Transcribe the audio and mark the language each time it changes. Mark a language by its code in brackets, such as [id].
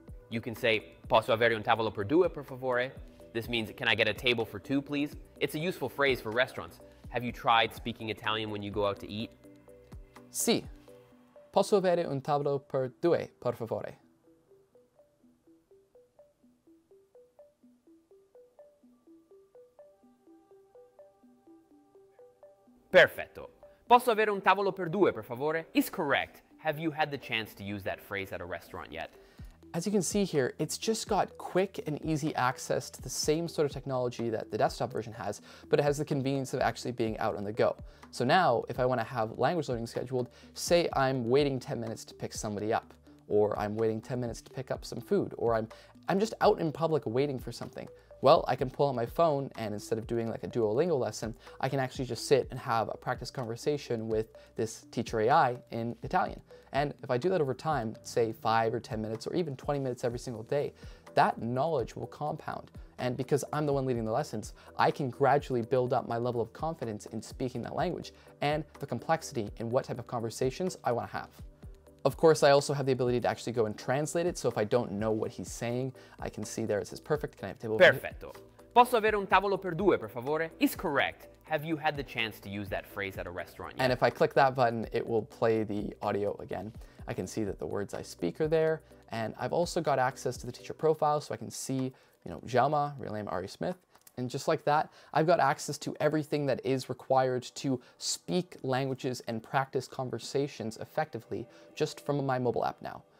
[en] You can say, [it] posso avere un tavolo per due, per favore? [en] This means, can I get a table for two, please? It's a useful phrase for restaurants. Have you tried speaking Italian when you go out to eat? [it] Sì. Posso avere un tavolo per due, per favore? Perfetto. Posso avere un tavolo per due, per favore? [en] Is correct. Have you had the chance to use that phrase at a restaurant yet? As you can see here, it's just got quick and easy access to the same sort of technology that the desktop version has, but it has the convenience of actually being out on the go. So now, if I want to have language learning scheduled, say I'm waiting 10 minutes to pick somebody up, or I'm waiting 10 minutes to pick up some food, or I'm just out in public waiting for something. Well, I can pull out my phone, and instead of doing like a Duolingo lesson, I can actually just sit and have a practice conversation with this teacher AI in Italian. And if I do that over time, say 5 or 10 minutes, or even 20 minutes every single day, that knowledge will compound. And because I'm the one leading the lessons, I can gradually build up my level of confidence in speaking that language and the complexity in what type of conversations I want to have. Of course, I also have the ability to actually go and translate it, so if I don't know what he's saying, I can see there it says perfect. Can I have a table? [it] Perfetto. Posso avere un tavolo per due, per favore? [en] Is correct. Have you had the chance to use that phrase at a restaurant yet? And if I click that button, it will play the audio again. I can see that the words I speak are there, and I've also got access to the teacher profile, so I can see, you know, Xiaoma, real name Ari Smith. And just like that, I've got access to everything that is required to speak languages and practice conversations effectively just from my mobile app now.